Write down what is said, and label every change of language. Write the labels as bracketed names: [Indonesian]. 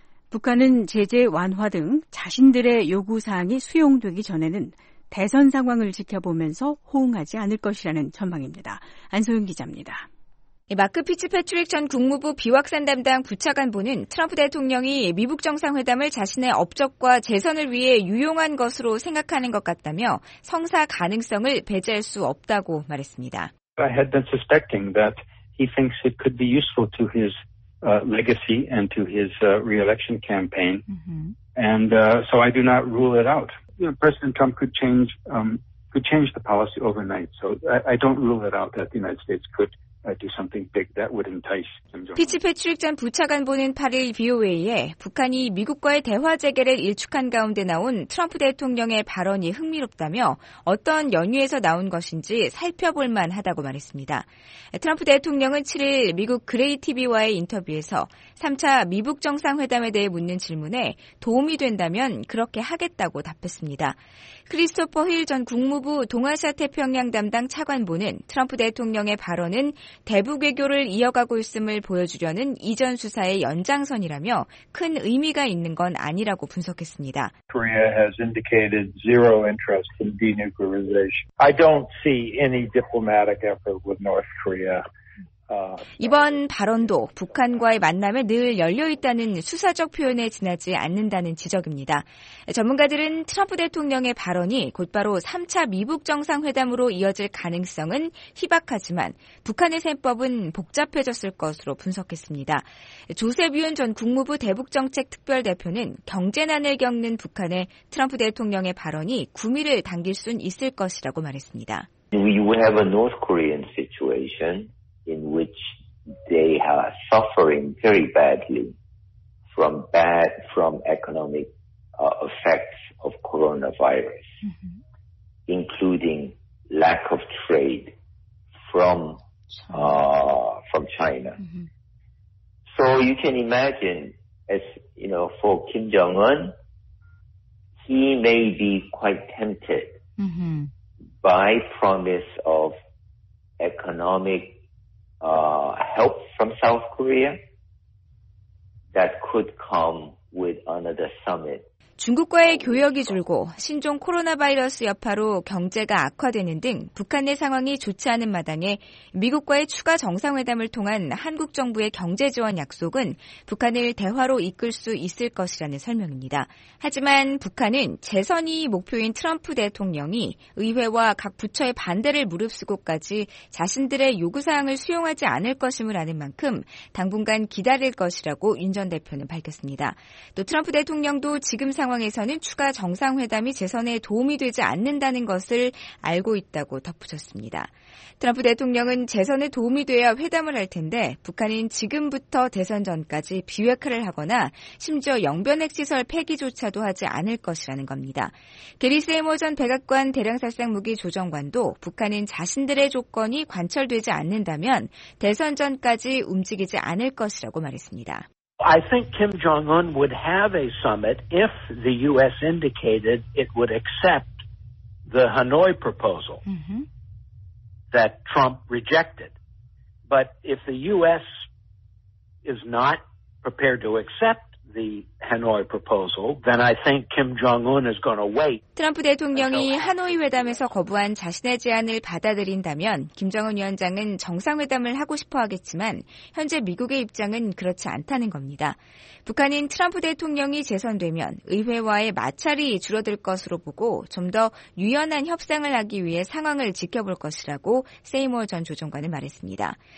[Korean] 북한은 제재 완화 등 자신들의 요구사항이 수용되기 전에는 대선 상황을 지켜보면서 호응하지 않을 것이라는 전망입니다. 안소영 기자입니다. 마크 피츠패트릭 전 국무부 비확산 담당 부차관보는 트럼프 대통령이 미북 정상회담을 자신의 업적과 재선을 위해 유용한 것으로 생각하는 것 같다며 성사 가능성을 배제할 수 없다고 말했습니다. [English] I had been suspecting that he thinks it could be useful to his legacy and to his re-election campaign. And so I do not rule it out. You know, President Trump could change the policy overnight. So I don't rule it out that the United States could do something big that would entice him. [Korean] 피츠패트릭 전 부차관보는 8일 VOA에 북한이 미국과의 대화 재개를 일축한 가운데 나온 트럼프 대통령의 발언이 흥미롭다며 어떤 연유에서 나온 것인지 살펴볼 만하다고 말했습니다. 트럼프 대통령은 7일 미국 그레이 TV와의 인터뷰에서 3차 미북 정상회담에 대해 묻는 질문에 도움이 된다면 그렇게 하겠다고 답했습니다. 크리스토퍼 힐 전 국무부 동아시아 태평양 담당 차관보는 트럼프 대통령의 발언은 대북 외교를 이어가고 있음을 보여주려는 이전 수사의 연장선이라며 큰 의미가 있는 건 아니라고 분석했습니다. [English] Korea has indicated zero interest in denuclearization. I don't see any diplomatic effort with North Korea. [Korean] 이번 발언도 북한과의 만남에 늘 열려있다는 수사적 표현에 지나지 않는다는 지적입니다. 전문가들은 트럼프 대통령의 발언이 곧바로 3차 미북 정상회담으로 이어질 가능성은 희박하지만 북한의 셈법은 복잡해졌을 것으로 분석했습니다. 조셉 유엔 전 국무부 대북정책특별대표는 경제난을 겪는 북한에 트럼프 대통령의 발언이 구미를 당길 순 있을 것이라고 말했습니다. [English] We have a North Korean situation. In which they are suffering very badly from economic effects of coronavirus, including lack of trade from China. So you can imagine you know, for Kim Jong-un, he may be quite tempted by promise of economic help from South Korea that could come with another summit. [Korean] 중국과의 교역이 줄고 신종 코로나 바이러스 여파로 경제가 악화되는 등 북한의 상황이 좋지 않은 마당에 미국과의 추가 정상회담을 통한 한국 정부의 경제 지원 약속은 북한을 대화로 이끌 수 있을 것이라는 설명입니다. 하지만 북한은 재선이 목표인 트럼프 대통령이 의회와 각 부처의 반대를 무릅쓰고까지 자신들의 요구사항을 수용하지 않을 것임을 아는 만큼 당분간 기다릴 것이라고 윤 전 대표는 밝혔습니다. 또 트럼프 대통령도 지금 상황에서는 추가 정상회담이 재선에 도움이 되지 않는다는 것을 알고 있다고 덧붙였습니다. 트럼프 대통령은 재선에 도움이 되어야 회담을 할 텐데 북한은 지금부터 대선 전까지 비핵화를 하거나 심지어 영변핵시설 폐기조차도 하지 않을 것이라는 겁니다. 게리 세이머 전 백악관 대량살상무기 조정관도 북한은 자신들의 조건이 관철되지 않는다면 대선 전까지 움직이지 않을 것이라고 말했습니다. [English] I think Kim Jong-un would have a summit if the U.S. indicated it would accept the Hanoi proposal that Trump rejected. But if the U.S. is not prepared to accept the Hanoi proposal, then I think Kim Jong-un is going to wait. [Korean] 트럼프 대통령이 하노이 회담에서 거부한 자신의 제안을 받아들인다면 김정은 위원장은 정상회담을 하고 싶어 하겠지만 현재 미국의 입장은 그렇지 않다는 겁니다. 북한은 트럼프 대통령이 재선되면 의회와의 마찰이 줄어들 것으로 보고 좀 더 유연한 협상을 하기 위해 상황을 지켜볼 것이라고 세이머 전 조정관은 말했습니다.